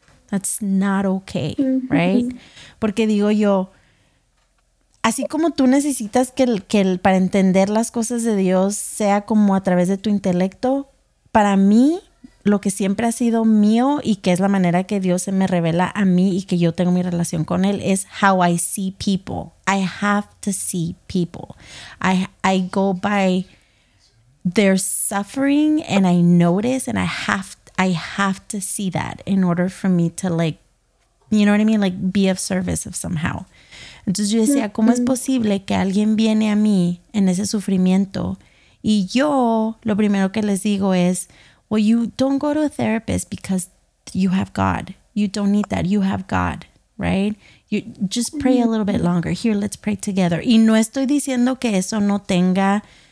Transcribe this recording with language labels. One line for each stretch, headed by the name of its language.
English: That's not okay, mm-hmm. right?
Spanish: Porque digo yo, así como tú necesitas que el para entender las cosas de Dios sea como a través de tu intelecto, para mí, lo que siempre ha sido mío y que es la manera que Dios se me revela a mí y que yo tengo mi relación con Él, es
English: how I see people. I have to see people. I go by their suffering and I notice and I have to see that in order for me to, like, you know what I mean? Like, be of service of somehow.
Spanish: Entonces yo decía, ¿cómo es posible que alguien viene a mí en ese sufrimiento? Y yo lo primero que les digo es,
English: well, you don't go to a therapist because you have God. You don't need that. You have God, right? You just pray a little bit longer. Here, let's pray together.
Spanish: Y no estoy diciendo que eso no tenga